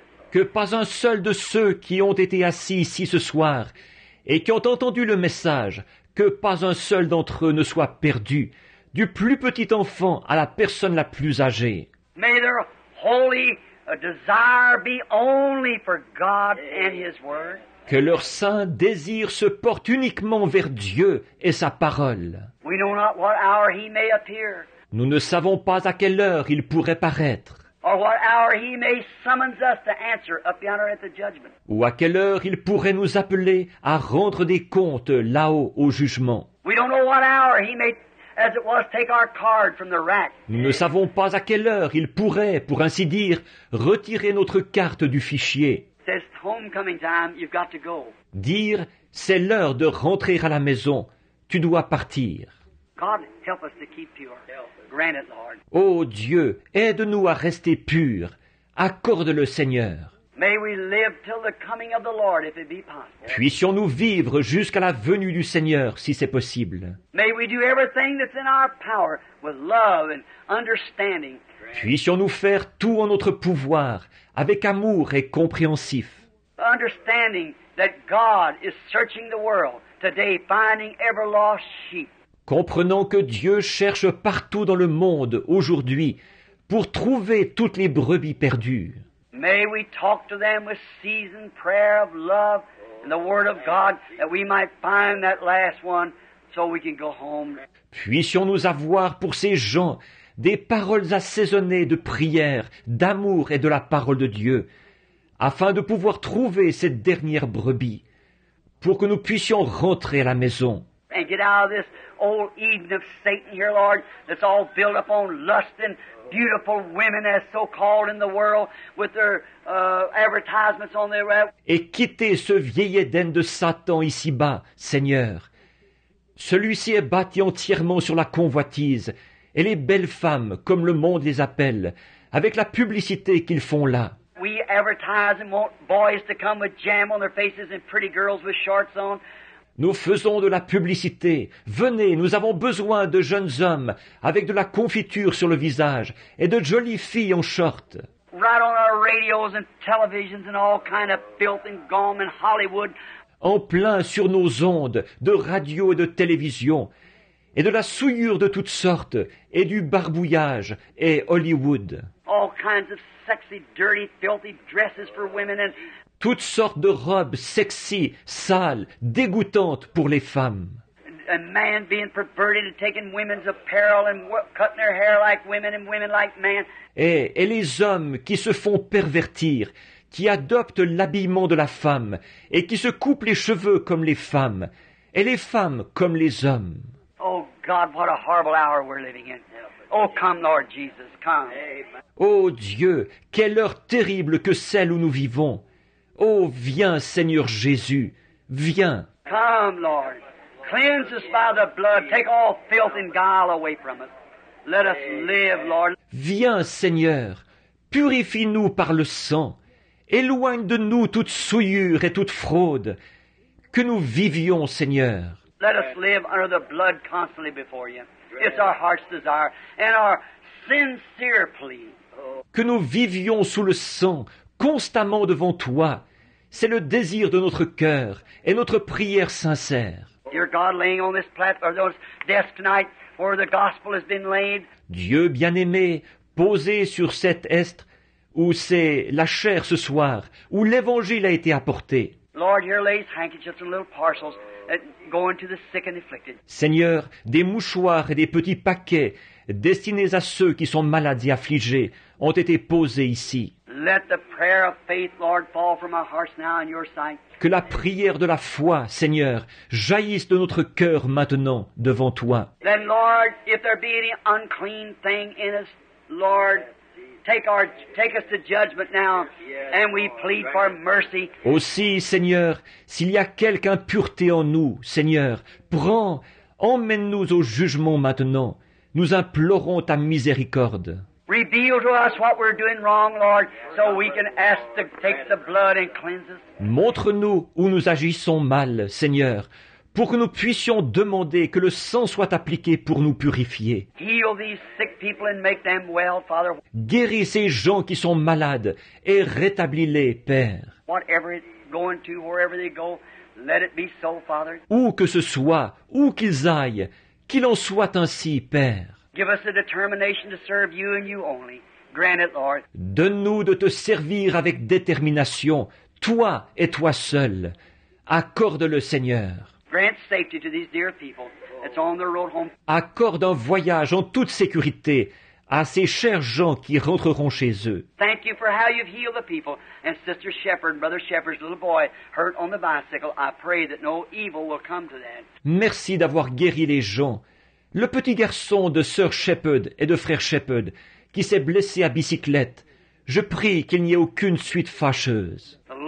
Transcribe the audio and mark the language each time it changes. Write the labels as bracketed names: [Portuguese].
[French] Que pas un seul de ceux qui ont été assis ici ce soir et qui ont entendu le message, que pas un seul d'entre eux ne soit perdu. Du plus petit enfant à la personne la plus âgée. [English] May their holy desire be only for God and His Word. [French] Que leur saint désir se porte uniquement vers Dieu et sa parole. [English] We know not what hour he may appear. [French] Nous ne savons pas à quelle heure il pourrait paraître. [English] Or what hour he may summons us to answer up yonder at the judgment. [French] Ou à quelle heure il pourrait nous appeler à rendre des comptes là-haut au jugement. [English] We don't know what hour he may as it was, take our card from the rack. [French] Nous ne savons pas à quelle heure il pourrait, pour ainsi dire, retirer notre carte du fichier. [English] Says homecoming time, you've got to go. [French] Dire, c'est l'heure de rentrer à la maison. Tu dois partir. [English] God, help us to keep pure. Grant it, Lord. [French] Oh Dieu, aide-nous à rester purs. Accorde-le, Seigneur. [English] May we live till the coming of the Lord, if it be possible. [French] Puissions-nous vivre jusqu'à la venue du Seigneur, si c'est possible. [English] May we do everything that's in our power with love and understanding. [French] Puissions-nous faire tout en notre pouvoir, avec amour et compréhensif. [English] Understanding that God is searching the world today, finding ever lost sheep. [French] Comprenons que Dieu cherche partout dans le monde aujourd'hui pour trouver toutes les brebis perdues. [English] May we talk to them with seasoned prayer of love and the Word of God, that we might find that last one so we can go home. [French] Puissions-nous avoir pour ces gens des paroles assaisonnées de prière, d'amour et de la parole de Dieu, afin de pouvoir trouver cette dernière brebis, pour que nous puissions rentrer à la maison. [English] And get out of this old Eden of Satan here, Lord, that's all built upon lust and beautiful women, as so called in the world, with their advertisements on their web. [French] Et quitter ce vieil Éden de Satan ici-bas, Seigneur. Celui-ci est bâti entièrement sur la convoitise et les belles femmes, comme le monde les appelle, avec la publicité qu'ils font là. [English] We advertise and want boys to come with jam on their faces and pretty girls with shorts on. [French] Nous faisons de la publicité. Venez, nous avons besoin de jeunes hommes avec de la confiture sur le visage et de jolies filles en short. [English] Right on our radios and televisions and all kind of filth and gum and Hollywood. [French] En plein sur nos ondes de radio et de télévision et de la souillure de toutes sortes et du barbouillage et Hollywood. [English] All kinds of sexy, dirty, filthy dresses for women and... [French] Toutes sortes de robes sexy, sales, dégoûtantes pour les femmes. [English] A man being perverted and taking women's apparel and cutting their hair like women and women like men. [French] Et les hommes qui se font pervertir, qui adoptent l'habillement de la femme et qui se coupent les cheveux comme les femmes et les femmes comme les hommes. [English] Oh God, what a horrible hour we're living in. Oh come, Lord Jesus, come. Amen. [French] Oh Dieu, quelle heure terrible que celle où nous vivons. Oh, viens, Seigneur Jésus, viens. [English] Come, Lord. Cleanse us by the blood. Take all filth and guile away from us. Let us live, Lord. [French] Viens, Seigneur. Purifie-nous par le sang. Éloigne de nous toute souillure et toute fraude. Que nous vivions, Seigneur. [English] Let us live under the blood constantly before you. It's our heart's desire and our sincere plea. [French] Que nous vivions sous le sang, constamment devant toi. C'est le désir de notre cœur et notre prière sincère. [English] Dear God, laying on this platform, this desk tonight, where the gospel has been laid. [French] Dieu bien-aimé, posé sur cet estre où c'est la chair ce soir, où l'évangile a été apporté. [English] Lord, here lays handkerchiefs and little parcels going to the sick and afflicted. [French] Seigneur, des mouchoirs et des petits paquets destinés à ceux qui sont malades et affligés ont été posés ici. [English] Let the prayer of faith, Lord, fall from our hearts now in your sight. [French] Que la prière de la foi, Seigneur, jaillisse de notre cœur maintenant devant toi. [English] Then, Lord, if there be any unclean thing in us, Lord, take us to judgment now, and we plead for mercy. [French] Aussi, Seigneur, s'il y a quelque impureté en nous, Seigneur, prends, emmène-nous au jugement maintenant. Nous implorons ta miséricorde. [English] Reveal to us what we're doing wrong, Lord, so we can ask to take the blood and cleanse us. [French] Montre-nous où nous agissons mal, Seigneur, pour que nous puissions demander que le sang soit appliqué pour nous purifier. [English] Heal these sick people and make them well, Father. [French] Guéris ces gens qui sont malades et rétablis-les, Père. [English] Whatever it's going to, wherever they go, let it be so, Father. [French] Où que ce soit, où qu'ils aillent, qu'il en soit ainsi, Père. [English] Give us the determination to serve you and you only. Grant it, Lord. [French] Donne-nous de te servir avec détermination, toi et toi seul. Accorde-le, Seigneur. [English] Grant safety to these dear people that's on their road home. [French] Accorde un voyage en toute sécurité à ces chers gens qui rentreront chez eux. [English] Thank you for how you've healed the people and Sister Shepherd, Brother Shepherd's little boy hurt on the bicycle. I pray that no evil will come to them. [French] Merci d'avoir guéri les gens. Le petit garçon de Sœur Shepherd et de Frère Shepherd qui s'est blessé à bicyclette, je prie qu'il n'y ait aucune suite fâcheuse.